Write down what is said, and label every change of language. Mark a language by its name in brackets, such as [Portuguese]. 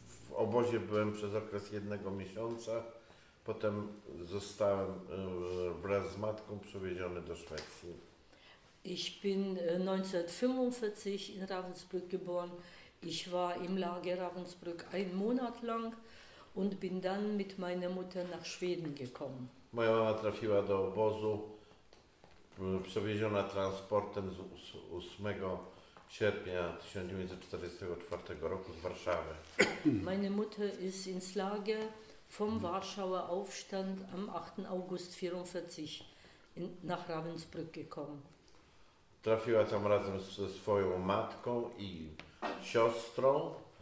[Polish] W obozie byłem przez okres jednego miesiąca. Potem zostałem wraz z matką przewieziony do Szwecji. [German] Ich bin 1945 in Ravensbrück geboren. Ich war im Lager Ravensbrück einen Monat lang und bin dann mit meiner Mutter nach Schweden gekommen. [Polish] Moja mama trafiła do obozu, przewieziona transportem z 8 sierpnia 1944 roku z Warszawy. [German] Meine Mutter ist ins Lager vom Warschauer Aufstand am 8. August 44 nach Ravensbrück gekommen. [Polish] Trafiła tam razem ze swoją matką i siostrą.